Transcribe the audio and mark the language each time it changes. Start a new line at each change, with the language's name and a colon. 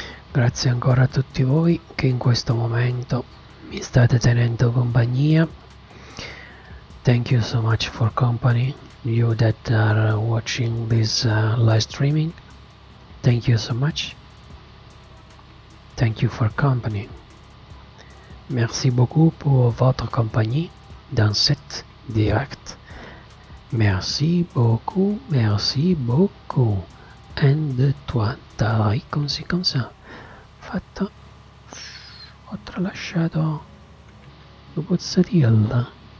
Italian: Grazie ancora a tutti voi che in questo momento mi state tenendo compagnia.
English: Thank you so much for company, you that are watching this live streaming. Thank you so much. Thank you for company.
French: Merci beaucoup pour votre compagnie dans cette direct. Merci beaucoup, merci beaucoup. And de toi, dai, così come ça. Fatto.
Italian: Ho tralasciato pozzatilla.